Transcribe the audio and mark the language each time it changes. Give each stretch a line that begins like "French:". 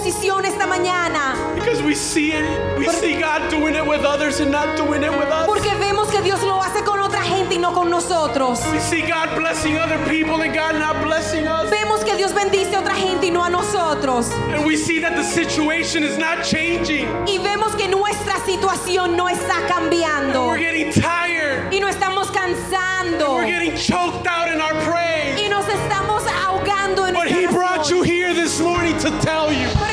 English: Because we see it, see God doing it with others and not doing it with us.
Spanish: Porque vemos que Dios lo hace con otra gente y no con nosotros.
English: We see God blessing other people and God not blessing us.
Spanish: Vemos que Dios bendice otra gente y no a nosotros.
English: And we see that the situation is not changing.
Spanish: Y vemos que nuestra situación no está cambiando.
English: And we're getting tired.
Spanish: Y no estamos cansando.
English: And we're getting choked out in our praise.
Spanish: Y nos estamos ahogando en
English: But He brought you here this morning to tell you.